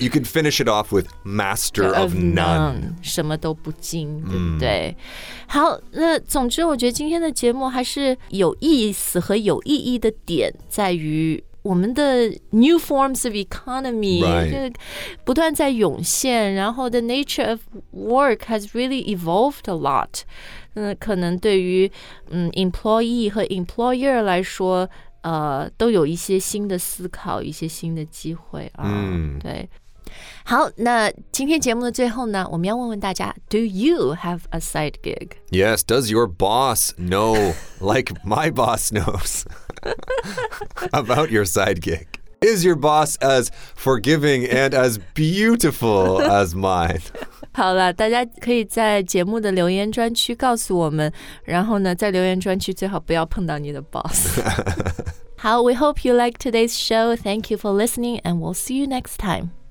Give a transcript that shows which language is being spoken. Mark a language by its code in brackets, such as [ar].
[en] You can finish it off with master of none. [zh] 什么都不精对不对、mm. 好，那总之我觉得今天的节目还是有意思和有意义的点在于我们的 [en] new forms of economy、 right. [zh] 不断在涌现然后 [en] the nature of work has really evolved a lot、 [zh] 可能对于、employee 和 employer 来说都有一些新的思考一些新的机会、啊 mm. 对好，那今天节目的最后呢，我们要问问大家 ， [en] Do you have a side gig? Yes. Does your boss know, like my boss knows, about your side gig? Is your boss as forgiving and as beautiful as mine? [zh] 好了，大家可以在节目的留言专区告诉我们，然后呢，在留言专区最好不要碰到你的 boss. [en] 好 ，We hope you like today's show. Thank you for listening, and we'll see you next time.